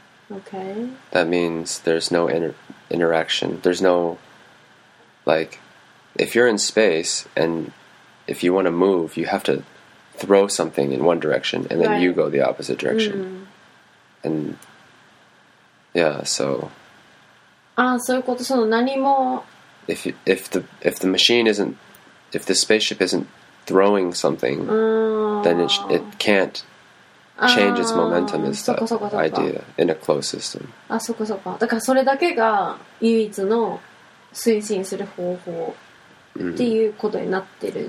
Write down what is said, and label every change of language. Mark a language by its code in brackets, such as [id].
[en] Okay. That means there's no interaction. There's no, like, if you're in space and if you want to move, you have to throw something in one direction and then you go the opposite direction. Mm. And, yeah, so. [ja] Ah, そういうこと、その何も。 [en] If the machine isn't, if the spaceship isn't throwing something, then it can't change its momentum. Is the idea in a closed system? [ja] Ah, so so so. だからそれだけが唯一の推進する方法っていうことになってる。